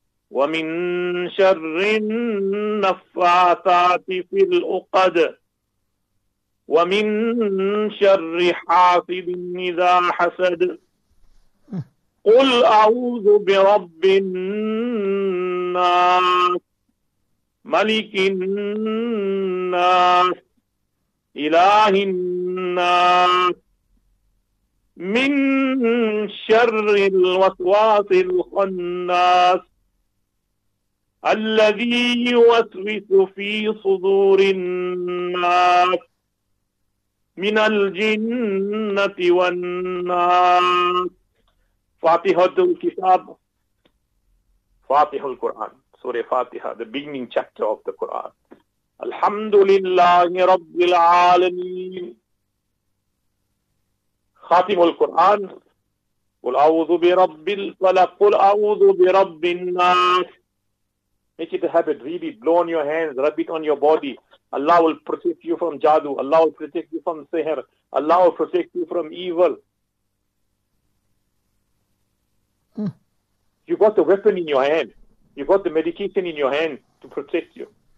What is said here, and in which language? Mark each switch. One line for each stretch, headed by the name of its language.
Arabic: وَمِن شَرِّ النَّفَّاثَاتِ فِي الْعُقَدِ وَمِن شَرِّ حَاسِدٍ إِذَا حَسَدَ قُلْ أَعُوذُ بِرَبِّ النَّاسِ مَلِكِ النَّاسِ إِلَهِ النَّاسِ مِن شَرِّ الْوَسْوَاسِ الْخَنَّاسِ الذي يوسوس في صدور الناس من الجنة والناس. فاتحة الكتاب فاتحة القرآن سورة فاتحة
English: the beginning chapter of the Quran.
Arabic: الحمد لله رب العالمين خاتم القرآن قل أعوذ برب الفلق قل أعوذ برب الناس.
English: Make it a habit, really, blow on your hands, rub it on your body. Allah will protect you from jadu. Allah will protect you from seher. Allah will protect you from evil. You got the weapon in your hand. You got the medication in your hand to protect you.